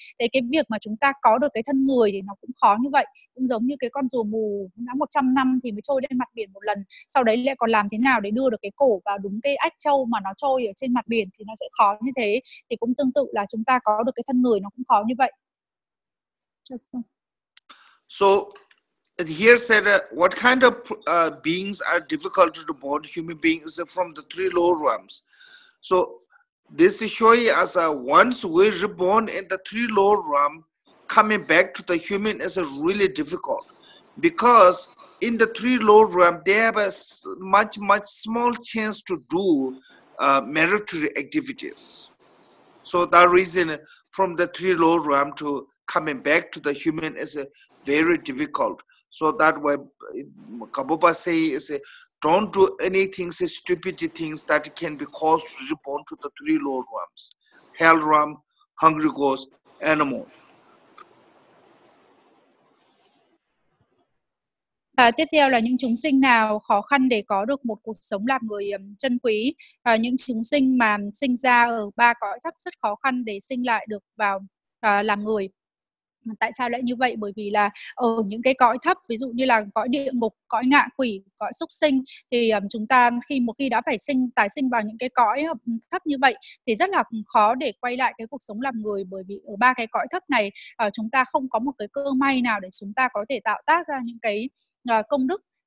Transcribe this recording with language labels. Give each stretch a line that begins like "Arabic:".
Vietnamese: Thế cái việc mà chúng ta có được cái thân người thì nó cũng khó như vậy, cũng giống như cái con rùa mù đã 100 năm thì mới trôi lên mặt biển một lần, sau đấy lại còn làm thế nào để đưa được cái cổ vào đúng cái ách trâu mà nó trôi ở trên mặt biển thì nó sẽ khó như thế. Thì cũng tương tự là chúng ta có được cái thân người nó cũng khó như vậy.
English: So here said what kind of beings are difficult to the born human beings from the three lower realms. So this is showing us once we reborn in the three lower realm, coming back to the human is really difficult, because in the three lower realm they have a much small chance to do meritorious activities. So that reason, from the three lower realm to coming back to the human is very difficult. So that way, Kabupa say is don't do anything, say stupid things that can be caused to reborn to the three lower realms, hell realm, hungry ghost, animals.
Vietnamese: Tiếp theo là những chúng sinh nào khó khăn để có được một cuộc sống làm người chân quý. Những chúng sinh mà sinh ra ở ba cõi thấp rất khó khăn để sinh lại được vào làm người. Tại sao lại như vậy? Bởi vì là ở những cái cõi thấp, ví dụ như là cõi địa ngục, cõi ngạ quỷ, cõi súc sinh, thì chúng ta khi một khi đã phải sinh tái sinh vào những cái cõi thấp như vậy thì rất là khó để quay lại cái cuộc sống làm người, bởi vì ở ba cái cõi thấp này chúng ta không có một cái cơ may nào để chúng ta có thể tạo tác ra những cái công đức.